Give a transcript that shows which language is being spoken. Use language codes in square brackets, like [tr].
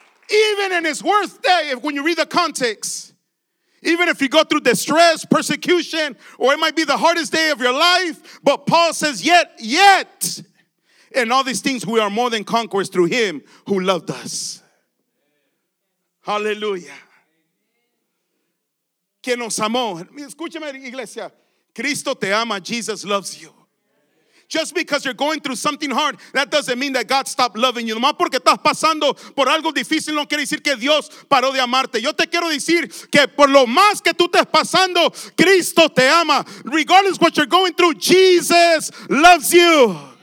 [en] Even in his worst day, when you read the context, even if you go through distress, persecution, or it might be the hardest day of your life, but Paul says, yet, in all these things, we are more than conquerors through him who loved us. Hallelujah. [es] Quien nos amó. Escúchame, iglesia. Cristo te ama. [en] Jesus loves you. Just because you're going through something hard, that doesn't mean that God stopped loving you. [es] Nomás porque estás pasando por algo difícil, no quiere decir que Dios paró de amarte. Yo te quiero decir que por lo más que tú estés pasando, Cristo te ama. [en] Regardless of what you're going through, Jesus loves you.